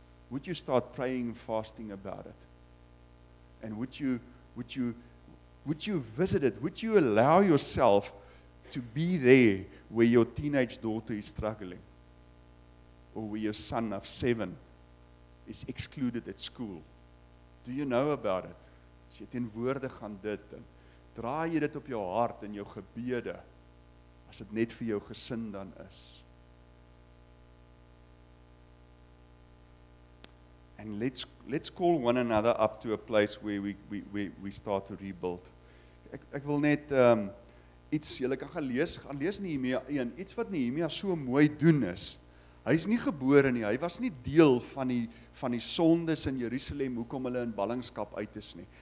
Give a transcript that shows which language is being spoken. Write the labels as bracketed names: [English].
[English] Would you start praying, fasting about it? And would you visit it? Would you allow yourself to be there where your teenage daughter is struggling? Or where your son of 7 is excluded at school? Do you know about it? [Afrikaans] As jy teenwoordig aan dit, en draai jy dit op jou hart en jou gebede, as dit net vir jou gesin dan is. [English] And let's call one another up to a place where we start to rebuild. [Afrikaans] Ek wil net iets, julle kan gaan lees Nehemia 1, iets wat Nehemia so mooi doen is, hy is nie gebore nie, hy was nie deel van die sondes in Jerusalem, hoekom hulle in ballingskap uit is nie.